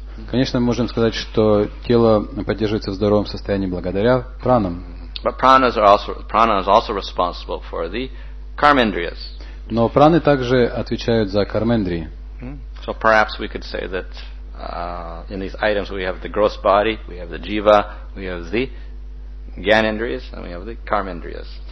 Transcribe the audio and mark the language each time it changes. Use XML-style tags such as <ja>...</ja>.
<ru>Конечно, мы можем сказать, что тело поддерживается в здоровом состоянии благодаря пранам.</ru> <en>But prana is also responsible for the karmendriyas.</en> <ru>Но праны также отвечают за кармендрии.</ru> <en>So perhaps we could say that in these items we have the gross body, we have the jiva, we have the gyanendriyas, and we have the karmendriyas.</en>